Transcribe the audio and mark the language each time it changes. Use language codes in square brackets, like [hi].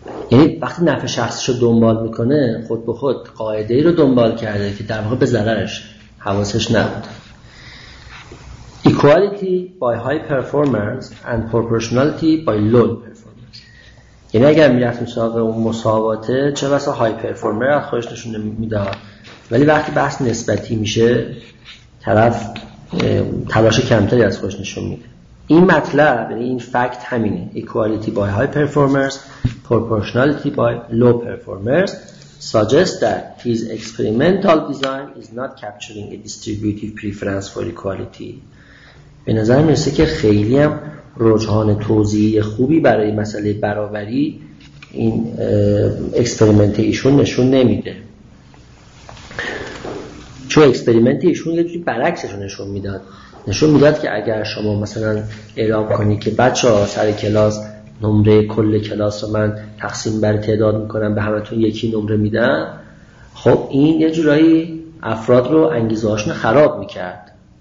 [fa] یعنی وقتی نفع شخصش رو دنبال میکنه خود به خود قاعده ای رو دنبال کرده که در واقع به ضررشه حواسش نبود. [en] Equality by high performance and proportionality by low performance. [fa] یعنی اگر میرفت مسابقه اون مساواته چه بسا های پرفورمر از خودش نشون میداد. ولی وقتی بحث نسبتی میشه طرف تلاش کمتری از خودش نشون میده. این مطلب این فکت همینه. [en] Equality by high performance, proportionality by low performers. Suggest that his experimental design is not capturing a distributive preference for equality. [fa] به نظر میرسه که خیلی هم رجحان توضیحی خوبی برای مسئله برابری این اکسپریمنت ایشون نشون نمیده. چون اکسپریمنت ایشون یه جوری برعکسش نشون میداد. نشون میداد که اگر شما مثلا اعلام کنی که بچه ها سر کلاس نمره کل کلاس رو من تقسیم بر تعداد میکنم به همه تون یکی نمره میدم خب این یه جورایی افراد رو انگیزهاشون خراب میکرد